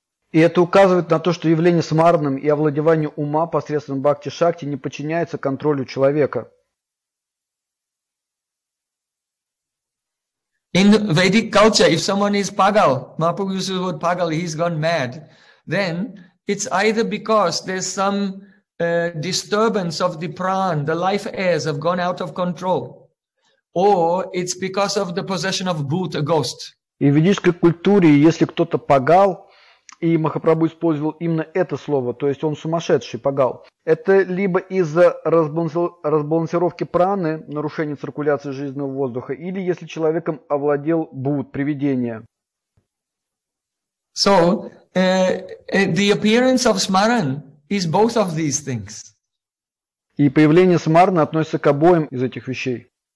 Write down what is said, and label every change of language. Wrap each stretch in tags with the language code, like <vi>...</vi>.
<ru>И это указывает на то, что явление смарным и овладевание ума посредством бхакти-шакти не подчиняется контролю человека.</ru> <en>In Vedic culture, if someone is pagal, Mahaprabhu uses the word pagal, he's gone mad, then it's either because there's some disturbance of the prana, the life airs have gone out of control, or it's because of the possession of bhoot, a ghost.</en> <ru>И в ведической культуре, если кто-то пагал, и Махапрабху использовал именно это слово, то есть он сумасшедший, пагал. Это либо из-за разбалансировки праны, нарушения циркуляции жизненного воздуха, или если человеком овладел бхут, привидение.</ru> <en>So, the appearance of smaran is both of these things.</en> <ru>И появление смарны относится к обоим из этих вещей.</ru>